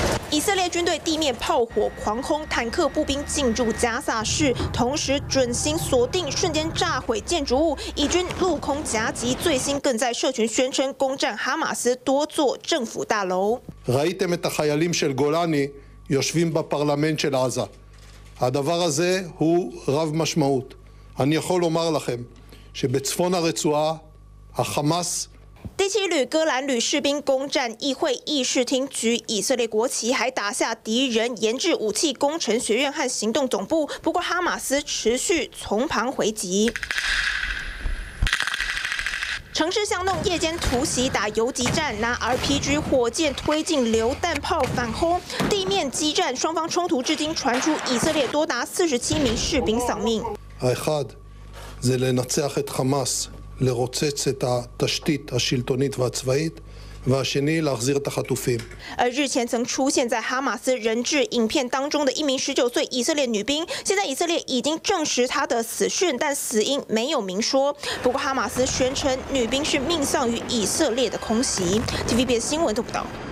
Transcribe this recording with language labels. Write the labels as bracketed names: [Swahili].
[Chinese] 以色列军队地面炮火狂轰，坦克步兵进入加萨市，同时准星锁定，瞬间炸毁建筑物。以军陆空夹击，最新更在社群宣称攻占哈马斯多座政府大楼。 [Hebrew] ראיתם את החיילים של גולני יושבים בפרלמנט של עזה. הדבר הזה הוא רב משמעות. אני יכול לומר לכם שבצפון הרצועה החמאס [Chinese] 第七旅戈兰旅士兵攻占议会议事厅，举以色列国旗，还打下敌人研制武器工程学院和行动总部。不过，哈马斯持续从旁回击。城市巷弄，夜间突袭打游击战，拿 RPG 火箭推进榴弹炮反轰，地面激战，双方冲突至今传出以色列多达47名士兵丧命。 [Hebrew] אחד, זה לנצח את חמאס. לרוצץ את התשתית השלטונית והצבאית והשני להחזיר את החטופים [Chinese] 而日前曾出现在哈马斯人质影片当中的一名19岁以色列女兵现在以色列已经证实她的死讯但死因没有明说不过哈马斯宣称女兵是命丧于以色列的空袭 TVBS 新闻都不懂